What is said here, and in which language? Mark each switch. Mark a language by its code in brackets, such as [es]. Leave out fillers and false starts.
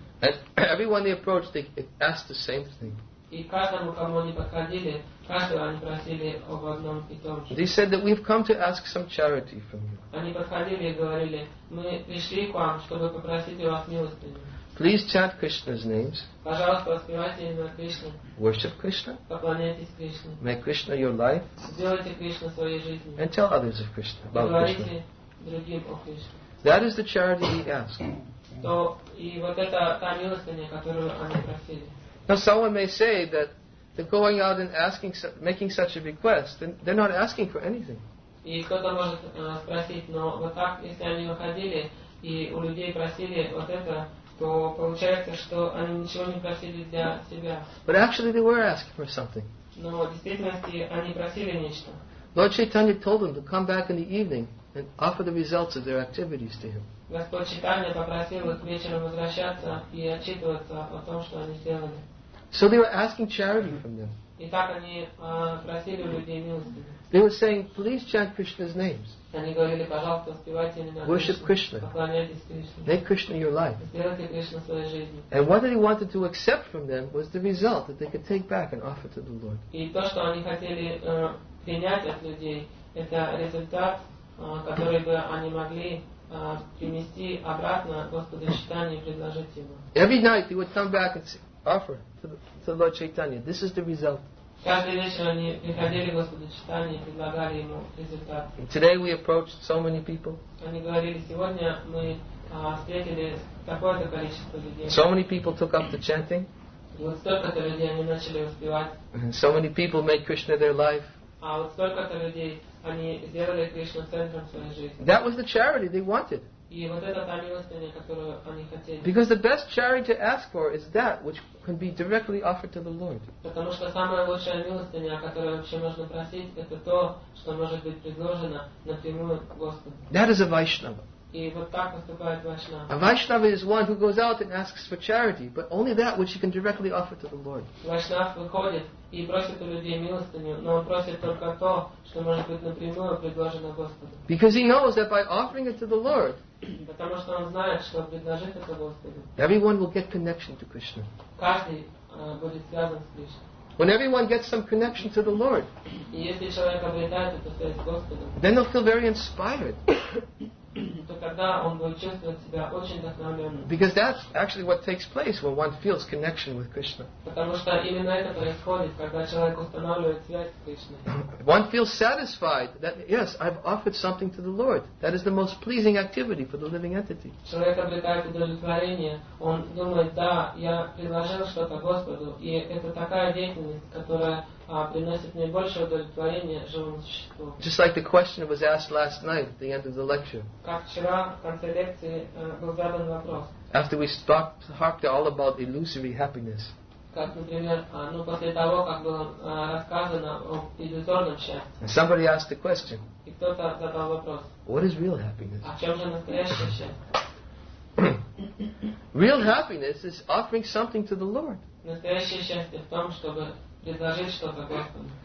[en] And everyone they approached, they asked the same thing. [ru] И каждому, кому они подходили, каждого они просили об одном и том же. [en] They said that we've come to ask some charity from you. [ru] Они подходили и говорили, мы пришли к вам, чтобы попросить у вас милости. [en] Please chant Krishna's names. [ru] Пожалуйста, воспевайте имя Кришны. [en] Worship Krishna. [ru] Поклоняйтесь Кришне. [en] Make Krishna your life. [ru] Сделайте Кришну своей жизнью. [en] And tell others of Krishna. About Krishna. [ru] Другим о Кришне. [en] That is the charity we ask. [ru] То и вот это та милостыня, которую они просили. [en] Now someone may say that they're going out and asking, making such a request, then they're not asking for anything. [ru] И кто-то может спросить, но вот так, если они выходили и у людей просили вот это, то получается, что они ничего не просили для себя. [en] But actually they were asking for something. [ru] Но в действительности они просили нечто. [en] Lord Chaitanya told them to come back in the evening and offer the results of their activities to him. [ru] Господь Чайтанья попросил их вечером возвращаться и отчитываться о том, что они сделали. [en] So they were asking charity from them. [ru] И так они просили людей милости. [en] They were saying, please chant Krishna's names. [ru] Они говорили, пожалуйста, воспевайте имена. [en] Worship Krishna. [ru] Поклоняйтесь Кришне. [en] Make Krishna your life. [ru] Сделайте Кришну своей жизнью. [en] And what they wanted to accept from them was the result that they could take back and offer to the Lord. [ru] И то, что они хотели принять от людей, это результат, который бы они могли принести обратно Господу Чайтанье и предложить ему. [en] Every night they would come back and offer to Lord Chaitanya. This is the result. [ru] Каждый вечер они приходили к Господу Чайтанье и предлагали ему результат. [en] Today we approached so many people. [ru] Они говорили, сегодня мы встретили такое-то количество людей. [en] So many people took up the chanting. [ru] Вот столько-то людей они начали успевать. [en] So many people made Krishna their life. [ru] А вот столько-то людей они сделали Кришну центром своей жизни. [en] That was the charity they wanted. [ru] И вот это та милостыня, которую они хотели. [en] Because the best charity to ask for is that which can be directly offered to the Lord. [ru] Потому что самая лучшая милостыня, которую вообще можно просить, это то, что может быть предложено напрямую Господу. [en] That is a Vaishnava. [ru] И вот так поступает Вайшнава. [en] A Vaishnava is one who goes out and asks for charity, but only that which he can directly offer to the Lord. [ru] Вайшнав выходит и просит у людей милостыню, но он просит только то, что может быть напрямую предложено Господу. [en] Because he knows that by offering it to the Lord, [ru] потому что он знает, что предложить это Господу. [en] Everyone will get connection to Krishna. [ru] Каждый будет связан с Кришной. [en] When everyone gets some connection to the Lord, [ru] если человек обретает эту связь с Господом, [en] then they'll feel very inspired. [ru] То тогда он будет чувствовать себя очень вдохновленным. [en] Because that's actually what takes place when one feels connection with Krishna. [ru] Потому что именно это происходит, когда человек устанавливает связь с Кришной. [en] One feels satisfied that yes, I've offered something to the Lord. That is the most pleasing activity for the living entity. [ru] Человек обретает удовлетворение. Он думает, да, я предложил что-то Господу, и это такая деятельность, которая приносит наибольшее удовлетворение живому существу. [en] Just like the question was asked last night at the end of the lecture. [ru] Как вчера в конце лекции был задан вопрос. [en] After we talked all about illusory happiness. [ru] Как, например, после того, как было рассказано о иллюзорном счастье. [en] And somebody asked the question. [ru] И кто-то задал вопрос. [en] What is real happiness? [ru] А чем же настоящее счастье? [en] Real happiness is offering something to the Lord. [ru] Настоящее счастье в том, чтобы предложить что-то Господу.